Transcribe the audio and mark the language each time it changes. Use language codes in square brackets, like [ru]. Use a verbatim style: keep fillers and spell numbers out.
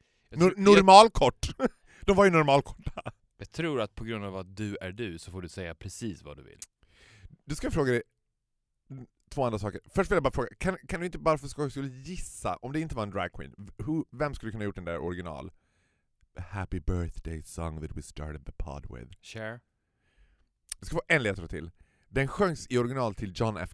[sv] Nor- Normalkort. De var ju normalkorta. Jag tror att på grund av att du är du så får du säga precis vad du vill. Du ska fråga dig två andra saker. Först vill jag bara fråga, kan, kan du inte bara för skoj skulle gissa, om det inte var en drag queen, who, vem skulle kunna gjort den där original? [en] Happy birthday song that we started the pod with. [sv] Cher. Jag ska få en ledtråd till. Den sjöngs i original till John F.